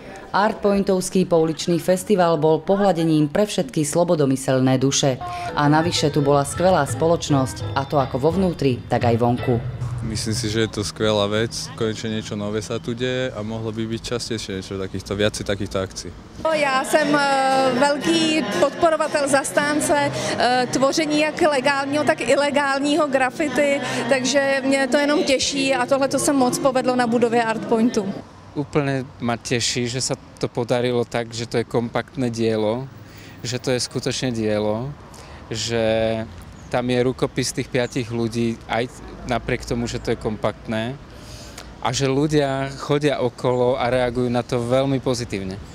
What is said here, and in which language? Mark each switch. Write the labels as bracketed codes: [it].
[sk] Artpointovský pouličný festival bol pohľadením pre všetky slobodomyselné duše. A navyše tu bola skvelá spoločnosť, a to ako vo vnútri, tak aj vonku. Myslím si, že je to skvelá vec. Konečne niečo nové sa tu deje a mohlo by byť častejšie niečo takýchto, viac takýchto akcií. [cs] Já jsem velký podporovatel zastánce tvoření jak legálního, tak ilegálního grafity, takže mě to jenom těší a tohle to se moc povedlo na budově Artpointu. [sk] Úplne ma teší, že sa to podarilo tak, že to je kompaktné dielo, že to je skutočne dielo, že tam je rukopis tých 5 ľudí aj napriek tomu, že to je kompaktné a že ľudia chodia okolo a reagujú na to veľmi pozitívne.